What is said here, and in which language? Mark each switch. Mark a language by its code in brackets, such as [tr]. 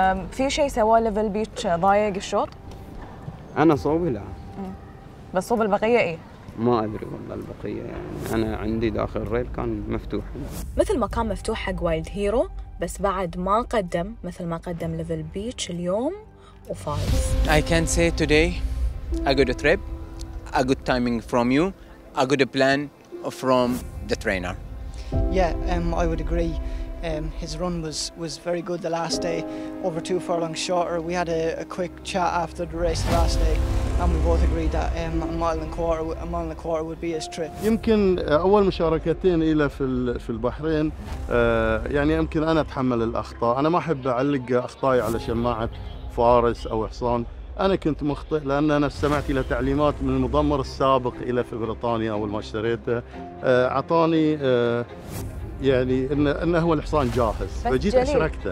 [ar] في شيء سواه ليفل بيتش ضايق الشوط انا صوبي لا بس صوب البقيه ايه ما ادري والله البقيه يعني انا عندي داخل الريل كان مفتوح مثل ما كان مفتوح حق وايلد هيرو بس بعد ما قدم مثل ما قدم ليفل بيتش اليوم وفايز [en] I can say today a good trip a good timing from you a good plan from the trainer I would agree his run was very good the last day over 2 furlongs shorter we had a quick chat after the race the last day and we both agreed that a mile and a quarter would be his trip [ar] يمكن اول مشاركتين الى في البحرين يعني يمكن انا اتحمل الاخطاء انا ما احب اعلق اخطائي على شماعه فارس او حصان انا كنت مخطئ لان انا استمعت الى تعليمات من المضمر السابق الى في بريطانيا اول ما اشتريته اعطاني يعني انه هو الحصان جاهز فجيت اشركته